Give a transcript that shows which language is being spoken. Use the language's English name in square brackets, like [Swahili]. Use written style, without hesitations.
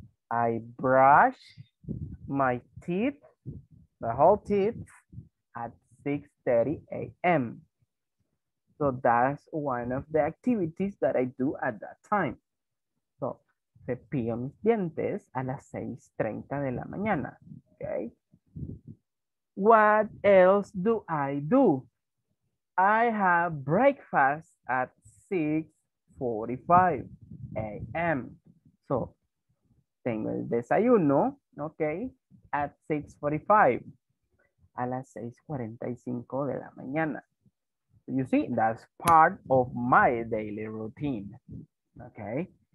[English] I brush my teeth, the whole teeth, at 6:30 a.m. So that's one of the activities that I do at that time. [Spanish] So, cepillo mis dientes a las 6:30 de la mañana, okay? [English] What else do I do? I have breakfast at 6:45 a.m. [Spanish] So, tengo el desayuno, okay, [English] at 6:45, [Spanish] a las 6:45 de la mañana. [English] You see, that's part of my daily routine, okay?